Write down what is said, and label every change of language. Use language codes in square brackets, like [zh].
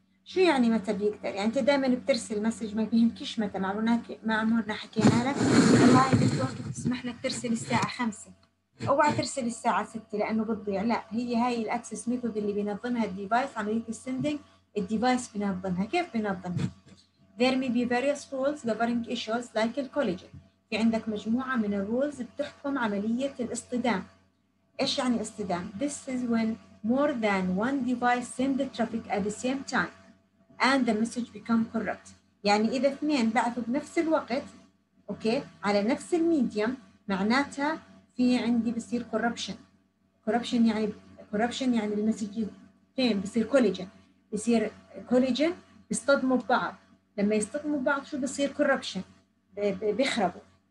[ar] شو يعني متى بيقدر؟ يعني انت دائما بترسل مسج ما بيهمكش متى، ما عمرنا حكينا لك والله بس وقت تسمح لك ترسل الساعة 5، اوعى ترسل الساعة 6 لانه بتضيع. لا، هاي الاكسس ميثود اللي بينظمها الديفايس، عملية السندنج الديفايس بينظمها. كيف بينظمها؟ [en] There may be various rules governing issues like the collision. [ar] في عندك مجموعة من الرولز بتحكم عملية الاصطدام. ايش يعني اصطدام؟ [en] This is when more than one device send the traffic at the same time and the message become corrupt. [ar] يعني إذا اثنين بعثوا بنفس الوقت، أوكي، على نفس الميديم، معناتها في عندي بصير corruption. corruption يعني المسجين بصير collision. بصير collision، بيصطدموا ببعض. لما يصطدموا ببعض شو بصير؟ corruption، بيخربوا.